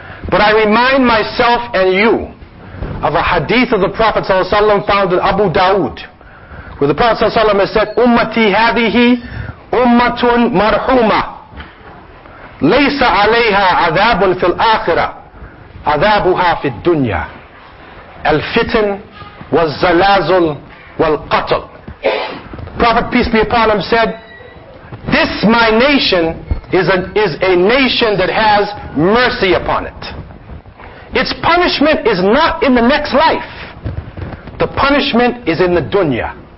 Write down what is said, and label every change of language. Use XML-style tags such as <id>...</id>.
<en>But I remind myself and you of a hadith of the Prophet ﷺ found in Abu Dawood, where the Prophet ﷺ has said,</en> <ar>Ummati hadihi ummatun marhuma. Laysa alayha adhabun fil akhirah. عذابها في الدنيا الفتن والزلازل والقتل.</ar> <en>Prophet peace be upon him said, this my nation is a nation that has mercy upon it. Its punishment is not in the next life. The punishment is in the dunya.</en>